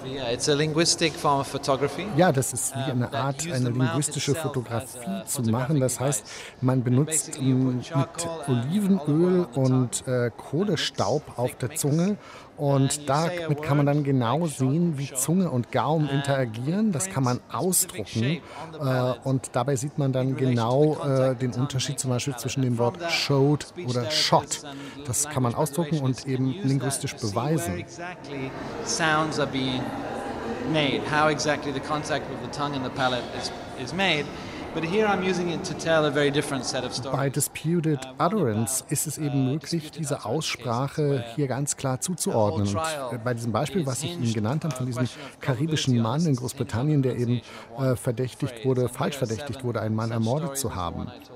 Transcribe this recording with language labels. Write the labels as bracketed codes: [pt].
[en] It's a linguistic form of photography. [de] Ja, das ist wie eine Art, eine linguistische Fotografie zu machen. Das heißt, man benutzt mit Olivenöl und Kohlestaub auf der Zunge. Und damit kann man dann genau sehen, wie Zunge und Gaumen interagieren. Das kann man ausdrucken. Und dabei sieht man dann genau den Unterschied zum Beispiel zwischen dem Wort showed oder shot. Das kann man ausdrucken und eben linguistisch beweisen. [en] Sounds are being made. How exactly the contact with the tongue and the palate is made. But here I'm using it to tell a very different set of stories. [de] Bei Disputed Utterance ist es eben möglich, diese Aussprache hier ganz klar zuzuordnen. Und bei diesem Beispiel, was ich Ihnen genannt habe, von diesem karibischen Mann in Großbritannien, der eben verdächtigt wurde, falsch verdächtigt wurde, einen Mann ermordet zu haben.